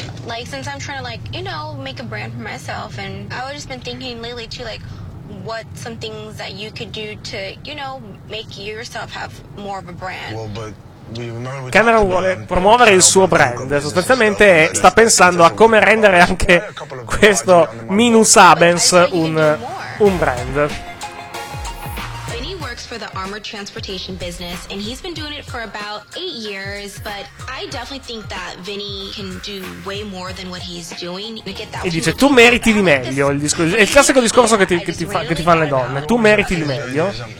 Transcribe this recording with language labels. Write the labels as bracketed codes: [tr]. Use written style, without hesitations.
[en] Like, since I'm trying to, like, you know, make a brand for myself, and I've just been thinking lately, too, like, what some things that you could do to, you know, make yourself have more of a brand. Well, but... [it] Cameron vuole promuovere il suo brand, sostanzialmente sta pensando a come rendere anche questo Minus Abens un brand. [en] Vinny works for the armored transportation business and he's been doing it for about 8 years, but I definitely think that Vinny can do way more than what he's doing. [it] E dice: tu meriti di meglio. È il classico discorso che ti fanno le donne: tu meriti di meglio.